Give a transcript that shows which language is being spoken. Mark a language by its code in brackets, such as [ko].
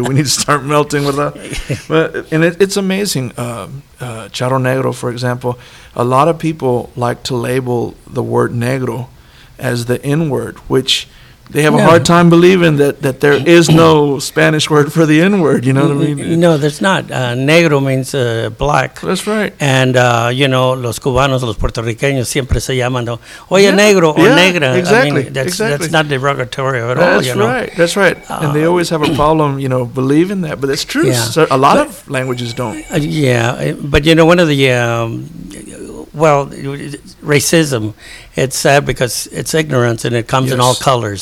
[en] We need to start melting with that. And it's amazing. Charro Negro, for example, a lot of people like to label the word negro as the N-word, which they have a hard time believing that there is no Spanish word for the N-word. You know what I mean? No, there's not. Negro means black. That's right. And, you know, [es] los cubanos, los puertorriqueños, siempre se llaman, oye, negro, o negra. [en] Exactly. I mean, exactly. That's not derogatory at that's all, you know. Right. That's right. And they always have a problem, you know, believing that. But it's true. Yeah. So a lot of languages don't. But, you know, one of the, well, racism, it's sad because it's ignorance and it comes in all colors.